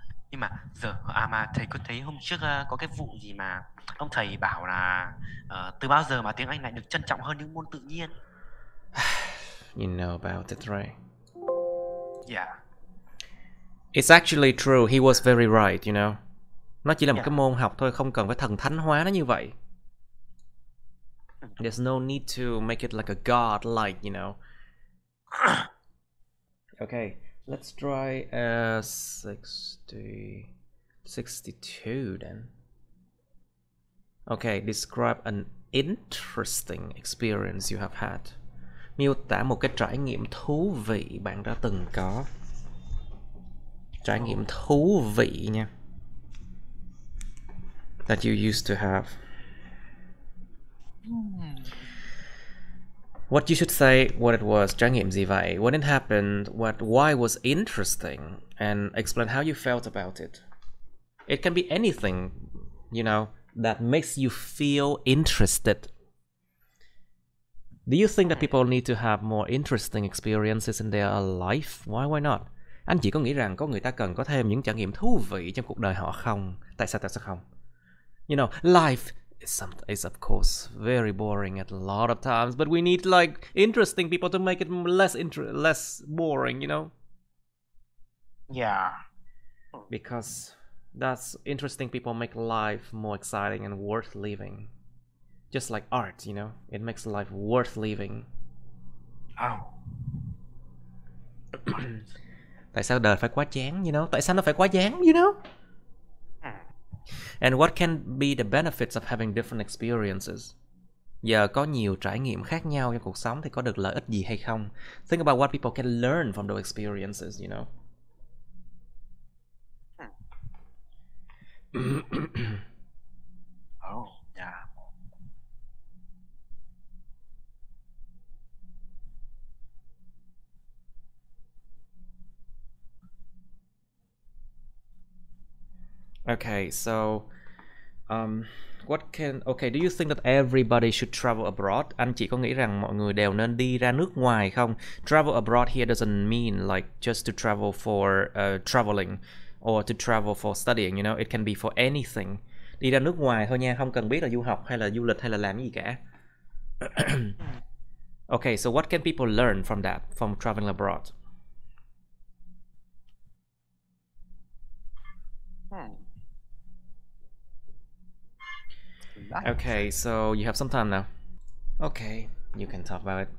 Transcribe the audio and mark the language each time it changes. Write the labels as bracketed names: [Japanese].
[Vietnamese] Nhưng mà giờ à mà thầy có thấy hôm trước có cái vụ gì mà ông thầy bảo là từ bao giờ mà tiếng Anh lại được trân trọng hơn những môn tự nhiên? [English] You know about it, right? Yeah. It's actually true. He was very right, you know. [Vietnamese] Nó chỉ là một cái môn học thôi, không cần phải thần thánh hóa nó như vậy. [English] There's no need to make it like a god like, you know. Okay. Let's try 62 then. Okay, describe an interesting experience you have had. [Vietnamese] Miêu tả một cái trải nghiệm thú vị bạn đã từng có. Trải nghiệm thú vị nha. [English] That you used to have. What you should say, what it was, [Vietnamese] trải nghiệm gì vậy, [English] when it happened, what, why was interesting, and explain how you felt about it. It can be anything, you know, that makes you feel interested. Do you think that people need to have more interesting experiences in their life? Why not? [Vietnamese] Anh chỉ có nghĩ rằng có người ta cần có thêm những trải nghiệm thú vị trong cuộc đời họ không? Tại sao không? [English] You know, life is of course very boring at a lot of times, but we need like interesting people to make it less boring, you know. Yeah, because that's interesting people make life more exciting and worth living, just like art, you know, it makes life worth living. Oh. [Vietnamese] Tại sao đời phải quá chán, [English] you know? [Vietnamese] Tại sao nó phải quá chán, you know? [English] And what can be the benefits of having different experiences? [Vietnamese] Giờ có nhiều trải nghiệm khác nhau trong cuộc sống thì có được lợi ích gì hay không? [English] Think about what people can learn from those experiences, you know. Oh, yeah. Okay, so what can, okay, do you think that everybody should travel abroad? [Vietnamese] Anh chỉ có nghĩ rằng mọi người đều nên đi ra nước ngoài không? [English] Travel abroad here doesn't mean like just to travel for traveling or to travel for studying, you know, it can be for anything. [Vietnamese] Đi ra nước ngoài thôi nha, không cần biết là du học hay là du lịch hay là làm gì cả. [English] Okay, so what can people learn from that, from traveling abroad? Okay, so you have some time now. Okay, you can talk about it.